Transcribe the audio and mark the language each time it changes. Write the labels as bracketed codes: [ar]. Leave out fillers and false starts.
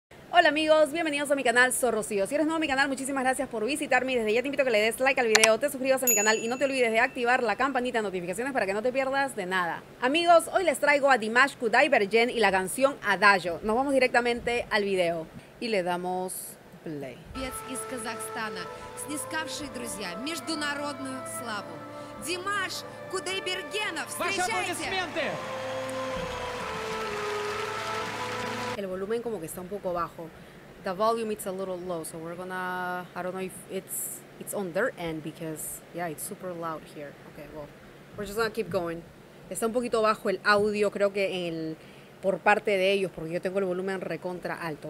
[es] Hola amigos, bienvenidos a mi canal, soy Rocío. Si eres nuevo a mi canal, muchísimas gracias por visitarme y desde ya te invito a que le des like al video, te suscribas a mi canal y no te olvides de activar la campanita de notificaciones para que no te pierdas de nada. Amigos, hoy les traigo a Dimash Kudaibergen y la canción Adagio. Nos vamos directamente al video y le damos play. [ru] Pez из Казахстана, снискавший, друзья, международную славу. Димаш Кудайбергенов, встречайте! [es] El volumen como que está un poco bajo. [en] The volume is a little low, so we're gonna... I don't know if it's on their end because, yeah, it's super loud here. Okay, well, we're just gonna keep going. [es] Está un poquito bajo el audio, creo que el por parte de ellos, porque yo tengo el volumen recontra alto.